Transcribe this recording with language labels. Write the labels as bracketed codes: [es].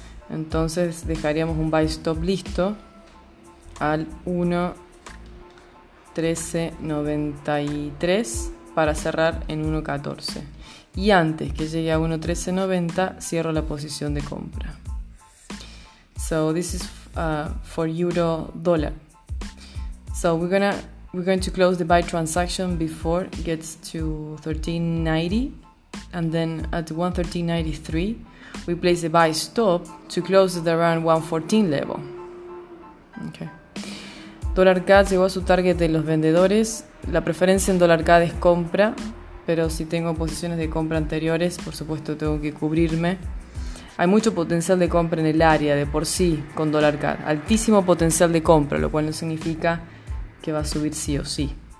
[es] Entonces dejaríamos un buy stop listo al 1.1393 para cerrar en 1.14. Y antes que llegue a 1.1390, cierro la posición de compra. [en] So this is for euro dollar. So we're going to close the buy transaction before it gets to 1390, and then at 1.1393 we place a buy stop to close at around 1.14 level. Okay. [es] Dollar CAD llegó a su target de los vendedores. La preferencia en dollar CAD es compra, pero si tengo posiciones de compra anteriores, por supuesto tengo que cubrirme. Hay mucho potencial de compra en el área de por sí con dólar CAD. Altísimo potencial de compra, lo cual no significa que va a subir sí o sí.